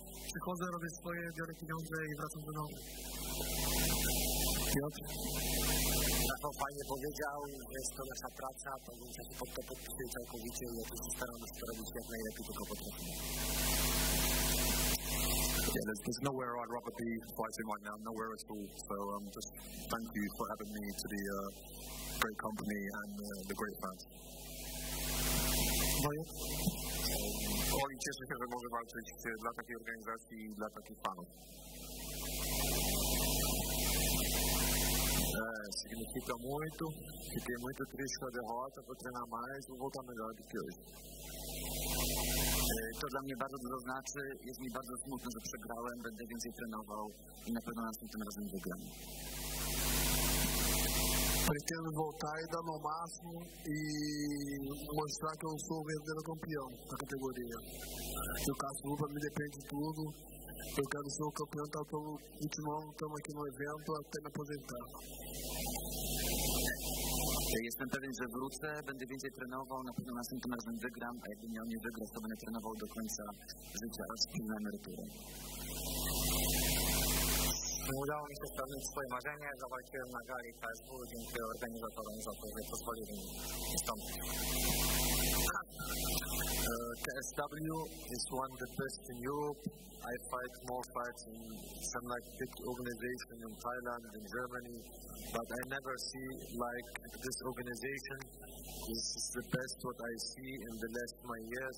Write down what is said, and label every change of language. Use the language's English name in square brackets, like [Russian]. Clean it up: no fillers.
[Polish] Przychodzę, robię swoje, biorę pieniądze i wracam do domu. Piotr? Tak, on fajnie powiedział, że jest to nasza praca, to więc ja się pod to podpisuję całkowicie i ja też staram się robić jak najlepiej, tylko potrafię. [English] Yeah, there's nowhere I'd rather be fighting right now, nowhere at all. So just thank you for having me to the great company and the great fans. [Polish] Bo i cieszę się, że mogę walczyć dla takiej organizacji i dla takich fanów. [Portuguese] Significa muito, fiquei muito triste com a derrota, vou treinar mais, vou voltar melhor do que hoje. [Polish] To dla mnie bardzo dużo znaczy, jest mi bardzo smutno, że przegrałem, będę więcej trenował i na pewno następnym razem wygram. [Portuguese] Pretendo voltar e dar no máximo e mostrar que eu sou o verdadeiro campeão da categoria. Se o caso Lupa me depende de tudo, eu quero ser o campeão, tá, tô, continuando, estamos aqui no evento até me aposentar. [Polish] Jestem pewien, że wrócę, będę więcej trenował, na pewno następnym razem wygram, a jakbym miał nie wygrać, to będę trenował do końca życia oraz pilną emeryturę. Udało mi się spełnić swoje marzenie, zawalczyłem na gali KSW, dziękuję organizatorom za to, że pozwolili mi wystąpić. [English] KSW is one of the best in Europe. I fight more fights in some like big organization in Thailand, in Germany, but I never see like this organization. This is the best what I see in the last my years.